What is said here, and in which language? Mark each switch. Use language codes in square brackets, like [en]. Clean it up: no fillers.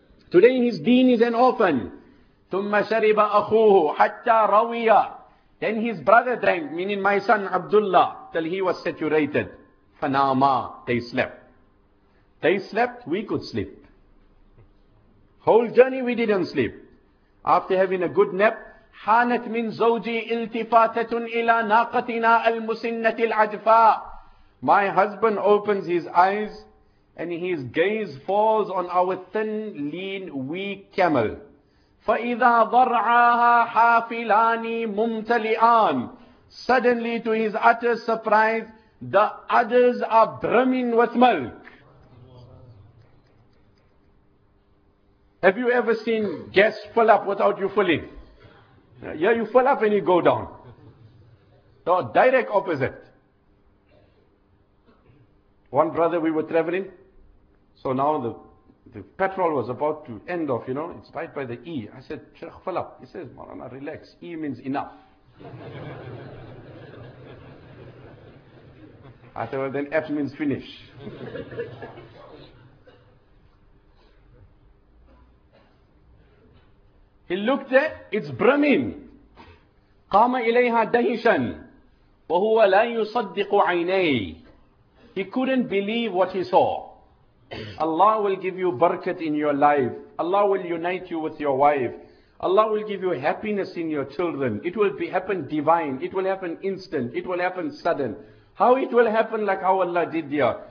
[en] Today his deen is an orphan. [ar] ثُمَّ شَرِبَ أَخُوهُ حَتَّى رَوِيَا. [en] Then his brother drank, meaning my son Abdullah, till he was saturated. [ar] فَنَامَا. [en] They slept. They slept, we could sleep. Whole journey we didn't sleep. After having a good nap, [ar] حانت من زوجي التفاتة إلى ناقتنا المسنة العجفاء. [en] My husband opens his eyes and his gaze falls on our thin, lean, weak camel. [ar] فإذا ضرعها حافلان ممتلئان. [en] Suddenly to his utter surprise, the udders are brimming with milk. Have you ever seen gas fill up without you filling? Yeah, you fill up and you go down. So direct opposite. One brother, we were traveling. So now the petrol was about to end off, you know. It's right by the E. I said, Sheikh, fill up. He says, Marana, relax. E means enough. I said, well, then F means finish. He looked at it's brimming. [ar] قام إليها دهشا وهو لا يصدق عينيه. [en] He couldn't believe what he saw. Allah will give you barakat in your life. Allah will unite you with your wife. Allah will give you happiness in your children. It will be happen divine. It will happen instant. It will happen sudden. How it will happen, like how Allah did here.